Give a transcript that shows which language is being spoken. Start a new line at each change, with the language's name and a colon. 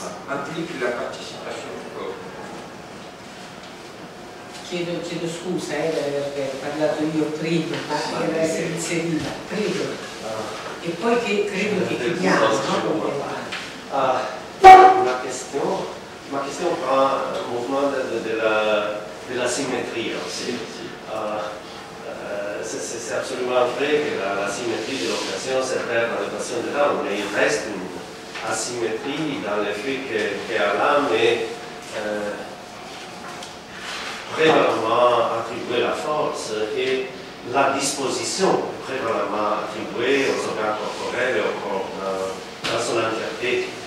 French: Implique la participation du corps.
Italian: Chiedo scusa d'aver parlato io prima, ma sì, deve essere inserita, prego. E poi credo che chiediamo. Una questione per il movimento della simmetria. Sì.
French: C'est absolument vrai que la symétrie de l'occasion se perd dans les passions de l'âme, mais il reste une asymétrie dans le fait que l'âme est prévalemment attribuée la force et la disposition prévalemment attribuée aux organes corporels et au corps dans son entièreté.